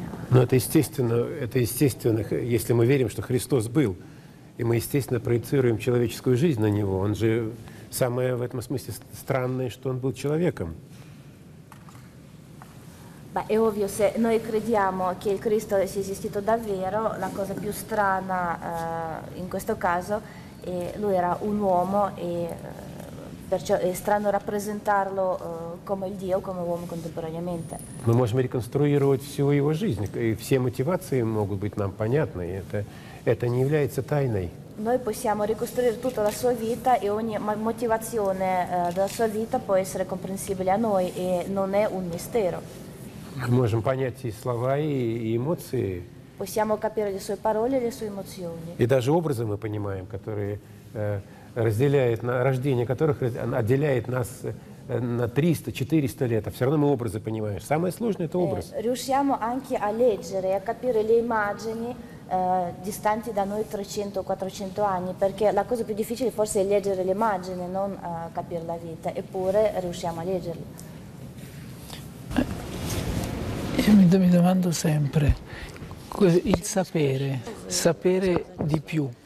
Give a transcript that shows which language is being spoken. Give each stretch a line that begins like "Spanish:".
Russian: Но это естественно, если мы верим, что Христос был, и мы, естественно, проецируем человеческую жизнь на Него. Он же самое в этом смысле странное, что Он был человеком.
Italian: Beh, è ovvio, se noi crediamo che il Cristo sia esistito davvero, la cosa più strana in questo caso è lui era un uomo e perciò è strano rappresentarlo come il Dio, come uomo contemporaneamente.
Russian: Мы можем реконструировать всю его жизнь, и все мотивации могут быть нам понятны. Это не является тайной.
Italian: Noi possiamo ricostruire tutta la sua vita e ogni motivazione della sua vita può essere comprensibile a noi e non è un mistero.
Russian: Мы можем понять и слова, и эмоции.
Italian: Possiamo capire le sue parole e le sue emozioni.
Russian: И даже образы мы понимаем, которые разделяет на рождение которых отделяет нас на 300-400 лет, а все равно мы образы понимаем. Самое сложное это образ.
Italian: Riusciamo anche a leggere e a capire le immagini distanti da noi 300-400 anni, perché la cosa più difficile forse è leggere le immagini, non capire la vita, eppure riusciamo a leggerle. Io mi domando sempre il sapere di più